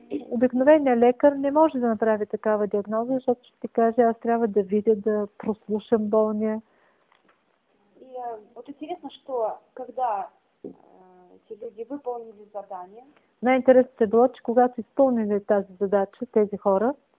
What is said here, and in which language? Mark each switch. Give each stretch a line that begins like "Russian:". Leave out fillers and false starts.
Bulgarian: Обикновеният лекар не може да направи такава диагноза, защото ще ти каже, аз трябва да видя, да прослушам болния.
Russian: И вот интересно, что когда эти люди выполнили задание,
Bulgarian: най-интересното е било, че когато изпълнили тази задача, тези хора,